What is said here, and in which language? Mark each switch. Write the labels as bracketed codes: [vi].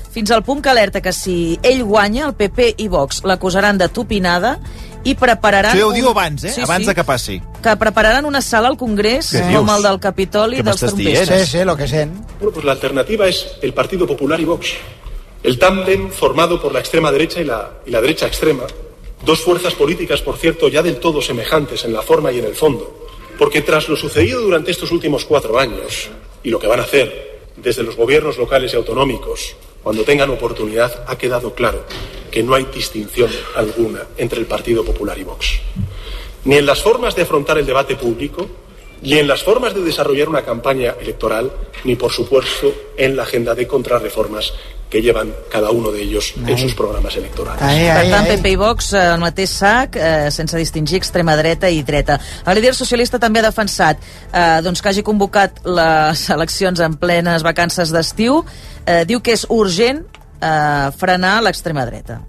[ca] Fins al punt que alerta que si ell guanya, el PP i Vox l'acusaran de tupinada i prepararan... Això ja ho diu abans, eh? Sí, abans de que passi. Que prepararan una sala al Congrés, sí, com el del Capitoli i dels trompistes. Sí, sí, lo que sent. Bueno, pues l'alternativa és el Partido Popular i Vox. [es] El tàndem formado por la extrema derecha y la derecha extrema. Dos fuerzas políticas, por cierto, ya del todo semejantes en la forma y en el fondo. Porque tras lo sucedido durante estos últimos 4 años, y lo que van a hacer desde los gobiernos locales y autonómicos, cuando tengan oportunidad, ha quedado claro que no hay distinción alguna entre el Partido Popular y Vox. Ni en las formas de afrontar el debate público, ni en las formas de desarrollar una campaña electoral, ni, por supuesto, en la agenda de contrarreformas que llevan cada uno de ellos en sus programas electorales. [ca] Per tant, PP i Vox al mateix sac, sense distingir extrema dreta i dreta. El líder socialista també ha defensat doncs, que hagi convocat les eleccions en plenes vacances d'estiu. Diu que és urgent frenar l'extrema dreta.